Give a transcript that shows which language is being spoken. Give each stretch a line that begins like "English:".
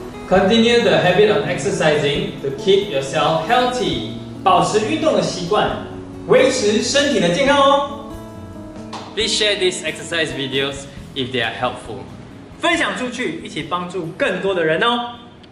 English: Continue the habit of exercising to keep yourself healthy.
Chinese: 保持运动的习惯，维持身体的健康哦。
English: Please share these exercise videos if they are helpful.
Chinese: 分享出去，一起帮助更多的人哦。